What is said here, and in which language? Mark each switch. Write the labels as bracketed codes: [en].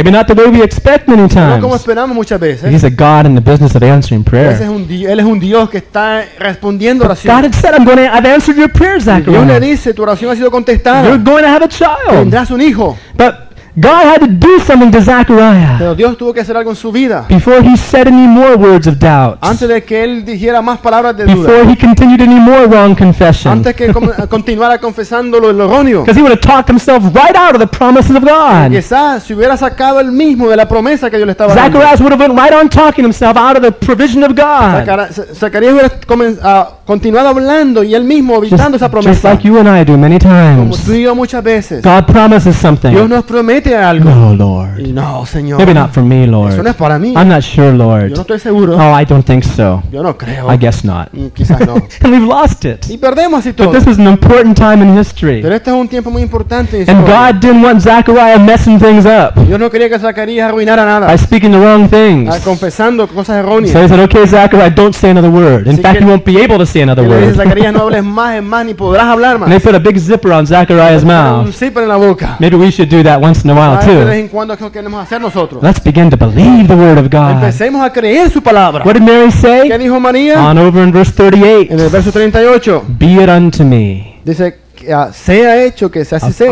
[en] Maybe not the way we expect many times. [es] No como esperamos muchas veces. [en] He's a God in the business of answering prayer. [es] Él es un Dios que está respondiendo oración. [en] God had said, I've answered your prayers, Zachary. [es] Dios le dice, tu oración ha sido contestada. [en] You're going to have a child. [es] Tendrás un hijo. [en] But God had to do something to Zechariah. [es] Pero Dios tuvo que hacer algo en su vida. [en] Before he said any more words of doubt. [es] Antes de que él dijera más palabras de duda. [en] Before he continued any more wrong confession. [es] Antes que continuara confesando lo erróneo. [en] Because he would have talked himself right out of the promises of God. [es] Quizás se hubiera sacado él mismo de la promesa que Dios le estaba dando. [en] Zechariah would have been right on talking himself out of the provision of God. [es] Zacarías hubiera continuado hablando y él mismo evitando esa promesa. [en] Just like you and I do many times. [es] Como tú y yo muchas veces. [en] God promises something. [es] Dios nos promete. [en] No, Lord. [es] No, Señor. [en] Maybe not for me, Lord. [es] Eso no es para mí. [en] I'm not sure, Lord. [es] Yo no estoy seguro. [en] Oh, I don't think so. [es] Yo no creo. [en] I guess not. [es] Quizás no. [en] And we've lost it. [es] Y perdemos así todo. [en] But this was an important time in history. [es] Pero este es un tiempo muy importante en historia. [en] And God didn't want Zechariah messing things up. [es] Yo no quería que Zacarías arruinara nada. [en] By speaking the wrong things. [es] Confesando cosas erróneas. [en] So he said, okay, Zechariah, don't say another word. In [es] así [en] fact, you won't be able to say another [es] le [en] word. [es] Zacarías, no hables más, ni podrás hablar más. [en] And they put a big zipper on Zechariah's mouth. [es] Un zipper en la boca. [en] Maybe we should do that once in a while too. Let's begin to believe the word of God. [es] Empecemos a creer su palabra. [en] What did Mary say? [es] ¿Qué dijo María? [en] On over in verse 38. [es] En el verso 38. [en] Be it unto me. [es] Dice, sea hecho que se así sea.